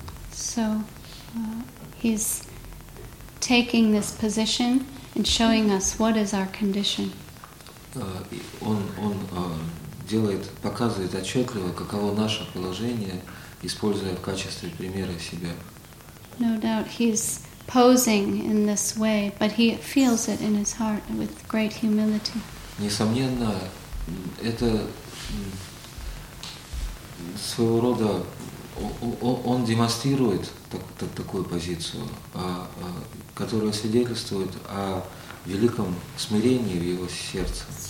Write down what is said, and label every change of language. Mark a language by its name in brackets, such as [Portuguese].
[English] So, he's taking this position and showing us what is our condition. [Russian] Он показывает отчетливо, каково наше положение, используя в качестве примера себя. [English] No doubt he's posing in this way, but he feels it in his heart with great humility. [Russian] Несомненно, это своего рода он демонстрирует такую позицию, которая свидетельствует о великом смирении в его сердце.